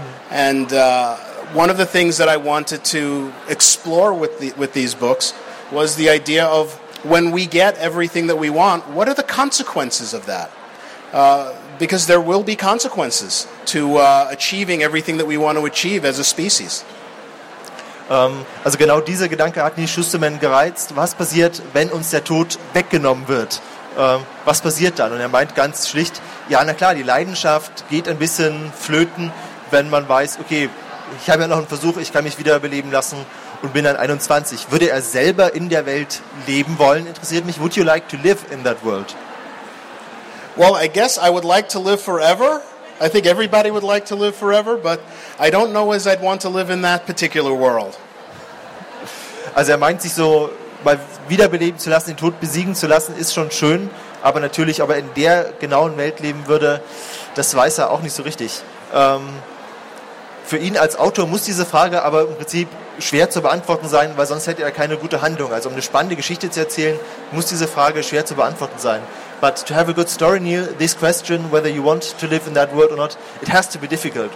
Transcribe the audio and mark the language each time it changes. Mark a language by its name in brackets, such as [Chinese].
[English] And one of the things that I wanted to explore with these books was the idea of when we get everything that we want, what are the consequences of that? Because there will be consequences to achieving everything that we want to achieve as a species. [German] Also genau dieser Gedanke hat Neil Schusterman gereizt. Was passiert, wenn uns der Tod weggenommen wird? Was passiert dann? Und er meint ganz schlicht, ja, na klar, die Leidenschaft geht ein bisschen flöten, wenn man weiß, okay, ich habe ja noch einen Versuch, ich kann mich wiederbeleben lassen und bin dann 21. Würde er selber in der Welt leben wollen, interessiert mich. [English] Would you like to live in that world? Well, I guess I would like to live forever. I think everybody would like to live forever, but I don't know as I'd want to live in that particular world. [German] Also er meint sich so, mal wiederbeleben zu lassen, den Tod besiegen zu lassen, ist schon schön, aber natürlich, aber in der genauen Welt leben würde, das weiß er auch nicht so richtig. Für ihn als Autor muss diese Frage aber im Prinzip schwer zu beantworten sein, weil sonst hätte er keine gute Handlung. Also um eine spannende Geschichte zu erzählen, muss diese Frage schwer zu beantworten sein. [English] But to have a good story, Neil, this question, whether you want to live in that world or not, it has to be difficult.